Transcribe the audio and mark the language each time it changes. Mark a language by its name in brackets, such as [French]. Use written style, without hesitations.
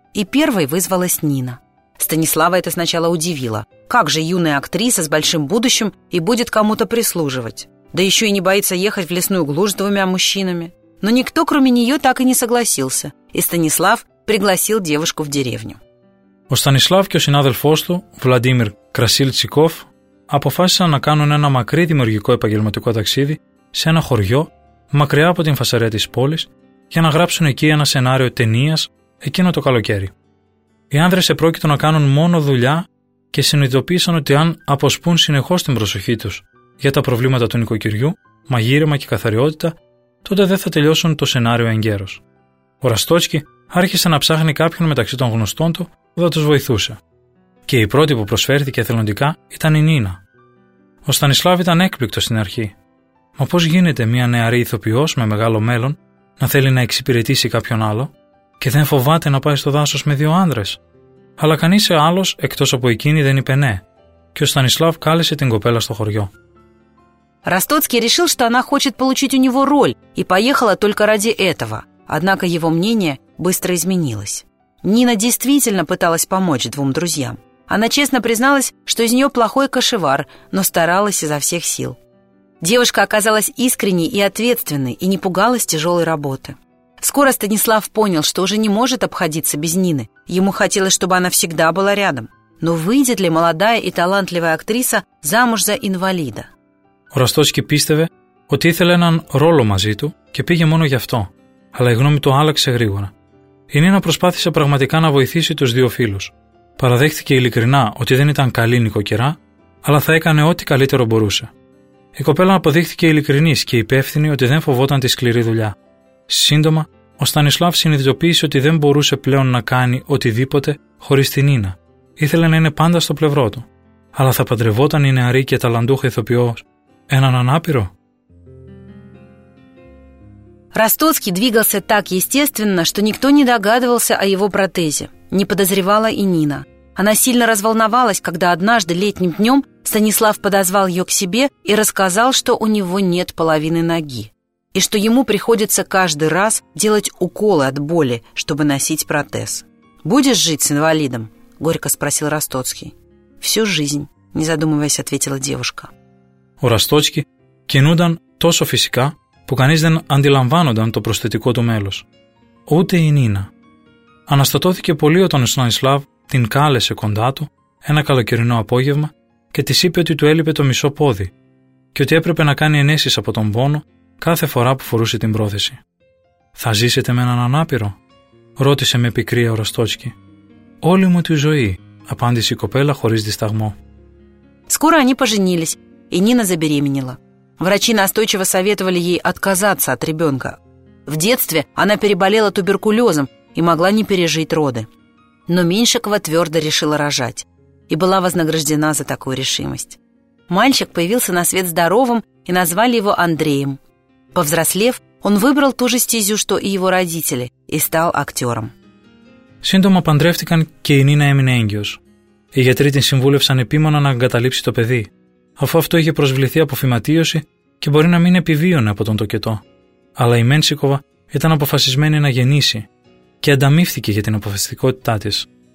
[Russian] И первой вызвалась Нина. Станислава это сначала удивило. Как же юная актриса с большим будущим и будет кому-то прислуживать? Да еще и не боится ехать в лесную глушь с двумя мужчинами. Но никто, кроме нее, так и не согласился. И Станислав пригласил девушку в деревню. [Greek] Ο Станислав και ο συνάδελφός του, Владимир Красильщиков, αποφάσισαν να κάνουν ένα μακρύ δημιουργικό επαγγελματικό ταξίδι σε ένα χωριό μακριά από την φασαρία της πόλης για να γράψουν εκεί ένα σενάριο ταινίας εκείνο το καλοκαίρι. Οι άνδρες επρόκειτο να κάνουν μόνο δουλειά και συνειδητοποίησαν ότι αν αποσπούν συνεχώς την προσοχή τους για τα προβλήματα του νοικοκυριού, μαγείρεμα και καθαριότητα, τότε δεν θα τελειώσουν το σενάριο εγκαίρως. Ο Ραστότσκι άρχισε να ψάχνει κάποιον μεταξύ των γνωστών του που θα τους βοηθούσε. Και η πρώτη που προσφέρθηκε εθελοντικά ήταν η Νίνα. Ο Στανισλάβ ήταν έκπληκτος στην αρχή. Μα πώς γίνεται μια νεαρή ηθοποιός με μεγάλο μέλλον να θέλει να εξυπηρετήσει κάποιον άλλο και δεν φοβάται να πάει στο δάσος με δύο άνδρες? Αλλά κανείς άλλος εκτός από εκείνη δεν είπε ναι, και ο Στανισλάβ κάλεσε την κοπέλα στο χωριό. [Russian] Ростоцкий решил, что она хочет получить у него роль, и поехала только ради этого. Однако его мнение быстро изменилось. Нина действительно пыталась помочь двум друзьям. Она честно призналась, что из нее плохой кашевар, но старалась изо всех сил. Девушка оказалась искренней и ответственной, и не пугалась тяжелой работы. Скоро Станислав понял, что уже не может обходиться без Нины. Ему хотелось, чтобы она всегда была рядом. Но выйдет ли молодая и талантливая актриса замуж за инвалида? [Greek] Ο Ραστόσκι πίστευε ότι ήθελε έναν ρόλο μαζί του και πήγε μόνο γι' αυτό. Αλλά η γνώμη του άλλαξε γρήγορα. Η Νίνα προσπάθησε πραγματικά να βοηθήσει τους δύο φίλους. Παραδέχθηκε ειλικρινά ότι δεν ήταν καλή νοικοκυρά, αλλά θα έκανε ό,τι καλύτερο μπορούσε. Η κοπέλα αποδείχθηκε ειλικρινής και υπεύθυνη ότι δεν φοβόταν τη σκληρή δουλειά. Σύντομα, ο Στανισλάβ συνειδητοποίησε ότι δεν μπορούσε πλέον να κάνει οτιδήποτε χωρίς την Νίνα. Ήθελε να είναι πάντα στο πλευρό του. Αλλά θα παντρευόταν η νεαρή και ταλαντούχα ηθοποιός έναν ανάπηρο? [Russian] Ростоцкий двигался так естественно, что никто не догадывался о его протезе. Не подозревала и Нина. Она сильно разволновалась, когда однажды летним днем Станислав подозвал ее к себе и рассказал, что у него нет половины ноги. И что ему приходится каждый раз делать уколы от боли, чтобы носить протез. «Будешь жить с инвалидом?» – горько спросил Ростоцкий. «Всю жизнь», – не задумываясь, ответила девушка. У Ростоцки кинудан тосо физика, [Greek] που κανείς δεν αντιλαμβάνονταν το προσθετικό του μέλος. Ούτε η Νίνα. Αναστατώθηκε πολύ όταν ο Στανισλάβ την κάλεσε κοντά του ένα καλοκαιρινό απόγευμα και της είπε ότι του έλειπε το μισό πόδι και ότι έπρεπε να κάνει ενέσεις από τον πόνο κάθε φορά που φορούσε την πρόθεση. «Θα ζήσετε με έναν ανάπηρο?» ρώτησε με πικρία ο Ραστόσκι. «Όλη μου τη ζωή», απάντησε η κοπέλα χωρίς δισταγμό. [Russian] «Σκούρα они поженились, и Нина забеременела». Врачи настойчиво советовали ей отказаться от ребенка. В детстве она переболела туберкулезом и могла не пережить роды. Но Меньшикова твердо решила рожать и была вознаграждена за такую решимость. Мальчик появился на свет здоровым и назвали его Андреем. Повзрослев, он выбрал ту же стезю, что и его родители, и стал актером. [Greek] Сύντομα παντρεύτηκαν και η Νίνα έμεινε έγκυος. Οι γιατροί την συμβούλευσαν επίμονα να εγκαταλείψει το παιδί, αφού αυτό είχε προσβληθεί από φυματίωση και μπορεί να μην επιβίωνε από τον τοκετό. Αλλά η Μένσικοβα ήταν αποφασισμένη να γεννήσει και ανταμείφθηκε για την αποφασιστικότητά της.